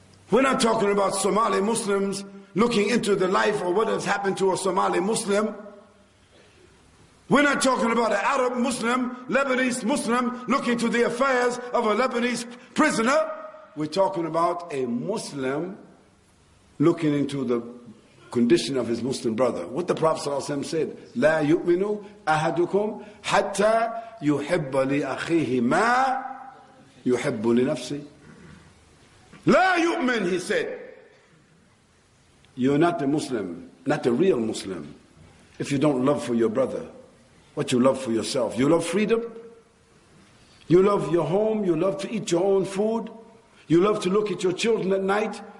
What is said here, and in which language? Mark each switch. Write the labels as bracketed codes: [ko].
[en] We're not talking about Somali Muslims looking into the life or what has happened to a Somali Muslim. We're not talking about an Arab Muslim, Lebanese Muslim, looking to the affairs of a Lebanese prisoner. We're talking about a Muslim looking into the condition of his Muslim brother. What the Prophet ﷺ said, [ar] لا يؤمن أحدكم حتى يحب لأخيه ما يحب لنفسه. لا يؤمن, [en] he said. You're not a Muslim, not a real Muslim, if you don't love for your brother what you love for yourself. You love freedom. You love your home. You love to eat your own food. You love to look at your children at night.